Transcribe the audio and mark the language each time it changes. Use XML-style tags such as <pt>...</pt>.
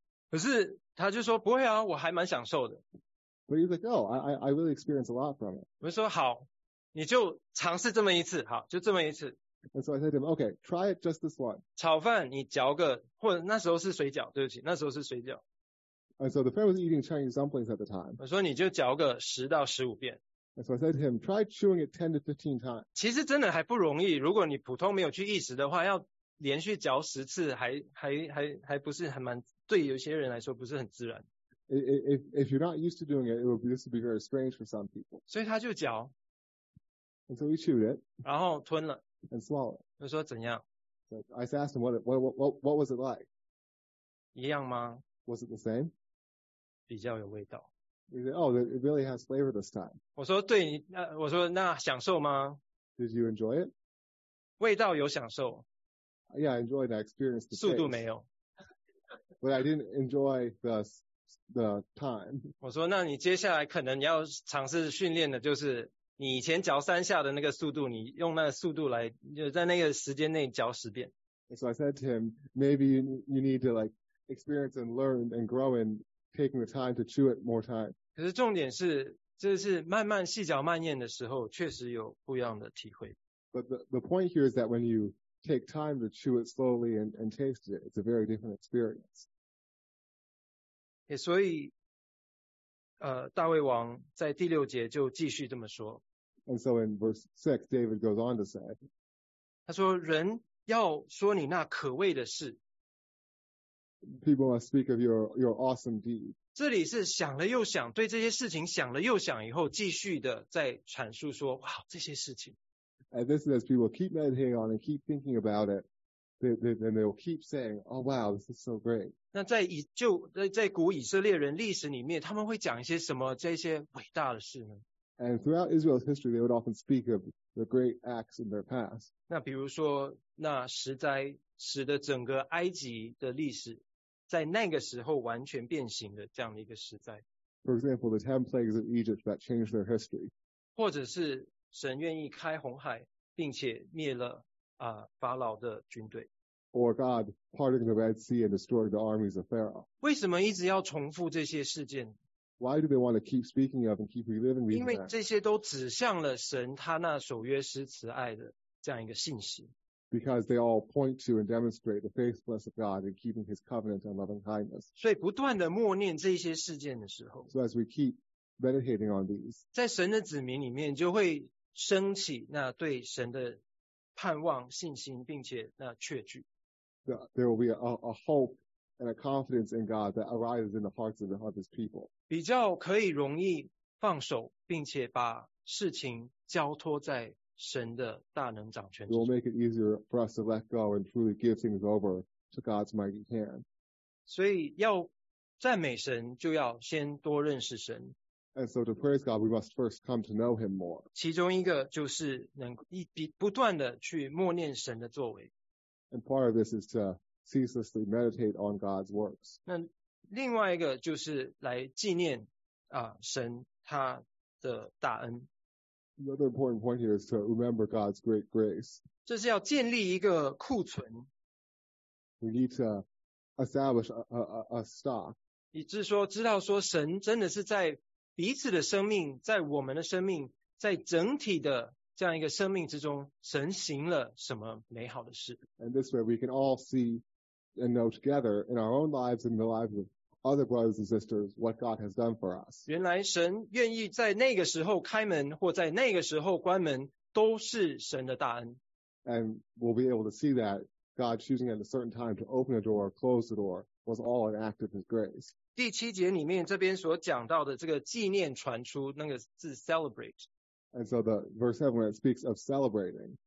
<zh>可是他就说不会啊，我还蛮享受的。</zh> <en>But he's like, oh, I really experience a lot from it.</en> <zh>我说好，你就尝试这么一次，好，就这么一次。</zh> <en>And so I said to him, okay, try it just this one.</en> <zh>炒饭你嚼个，或者那时候是水饺，对不起，那时候是水饺。</zh> <en>And so the friend was eating Chinese dumplings at the time.</en> <zh>我说你就嚼个10到15遍。</zh> <en>And so I said to him, try chewing it 10 to 15 times.</en> <zh>其实真的还不容易，如果你普通没有去意识的话，要连续嚼10次还不是很蛮，对有些人来说不是很自然。</zh> <en>If you're not used to doing it, this would be very strange for some people.</en> <zh>所以他就嚼。</zh> <en>And so he chewed it.</en> <zh>然后吞了。</zh> <en>And swallow it.</en> <zh>就说怎样?</zh> <en>So I asked him what was it like?</en> <zh>一样吗?</zh> <en>Was it the same?</en> <zh>比较有味道。</zh> <en>He said, oh, it really has flavor this time.</en> <zh>我说对，我说那享受吗?</zh> <en>Did you enjoy it?</en> <zh>味道有享受。</zh> <en>Yeah, I enjoyed that experience.</en> <zh>速度没有。</zh> <en>But I didn't enjoy the time.</en> <zh>我说那你接下来可能要尝试训练的就是你以前嚼三下的那个速度，你用那个速度来，就在那个时间内嚼10遍。</zh> <en>So I said to him, maybe you need to like experience and learn and grow in taking the time to chew it more time.</en> <zh>可是重点是，这是慢慢细嚼慢咽的时候，确实有不一样的体会。</zh> <en>But the point here is that when you take time to chew it slowly and taste it, it's a very different experience.</en> <zh>所以大卫王在第六节就继续这么说。</zh> <en>And so in verse 6, David goes on to say,</en> <zh>他说人要说你那可畏的事。</zh> <en>People must speak of your awesome deed.</en> <zh>这里是想了又想，对这些事情想了又想以后，继续的在阐述说，哇，这些事情。</zh> <en>And this is as people keep meditating on and keep thinking about it, then they will keep saying, oh wow, this is so great.</en> <zh>那在古以色列人历史里面，他们会讲一些什么这些伟大的事呢？</zh> <en>And throughout Israel's history, they would often speak of the great acts in their past.</en> <zh>那比如说那十灾使得整个埃及的历史在那个时候完全变形的这样的一个十灾。</zh> <en>For example, the 10 plagues of Egypt that changed their history.</en> <zh>或者是神愿意开红海，并且灭了法老的军队。</zh> <en>Or God parting the Red Sea and destroying the armies of Pharaoh.</en> <zh>为什么一直要重复这些事件?</zh> <en>Why do they want to keep speaking of and keep reliving these?</en> <zh>因为这些都指向了神他那守约施慈爱的这样一个信息。</zh> <en>Because they all point to and demonstrate the faithfulness of God in keeping His covenant and loving kindness.</en> <zh>所以不断的默念这些事件的时候，</zh> <en>So as we keep meditating on these,</en> <zh>在神的子民里面就会升起那对神的盼望、信心，并且那确据。</zh> <en>There will be a hope and a confidence in God that arises in the hearts of His people.</en> <zh>比较可以容易放手，并且把事情交托在神的大能掌权之中。</zh> <en>It will make it easier for us to let go and truly give things over to God's mighty hand.</en> <zh>所以要赞美神，就要先多认识神。</zh> <en>And so to praise God, we must first come to know Him more.</en> <zh>其中一个就是能不断的去默念神的作为。</zh> <en>And part of this is to ceaselessly meditate on God's works.</en> <zh>那另外一个就是来纪念神他的大恩。</zh> <en>Another important point here is to remember God's great grace.</en> <zh>这是要建立一个库存。</zh> <en>We need to establish a stock.</en> <zh>以致说知道说神真的是在彼此的生命，在我们的生命，在整体的这样一个生命之中，神行了什么美好的事。</zh> <en>And this way we can all see and know together in our own lives and the lives of other brothers and sisters what God has done for us.</en> <zh>原来神愿意在那个时候开门或在那个时候关门都是神的大恩。</zh> <en>And we'll be able to see that God choosing at a certain time to open a door or close the door was all an act of His grace.</en> <zh>第七节里面这边所讲到的这个纪念传出，那个字 celebrate。</zh> <en>And so the verse 7 when it speaks of celebrating.</en>